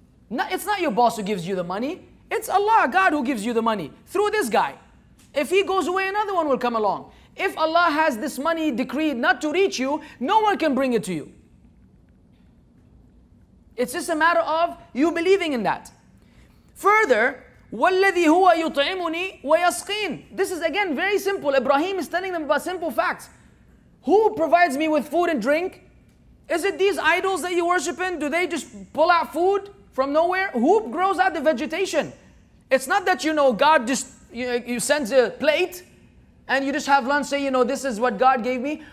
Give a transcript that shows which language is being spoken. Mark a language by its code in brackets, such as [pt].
[en] It's not your boss who gives you the money. It's Allah, God, who gives you the money through this guy. If he goes away, another one will come along. If Allah has this money decreed not to reach you, no one can bring it to you. It's just a matter of you believing in that. [ar] Further, وَالَّذِي هُوَ يُطْعِمُنِي وَيَسْقِينَ. [en] This is again very simple. Ibrahim is telling them about simple facts. Who provides me with food and drink? Is it these idols that you worship in? Do they just pull out food from nowhere? Who grows out the vegetation? It's not that, you know, God just, you sends a plate and you just have lunch, say, you know, this is what God gave me.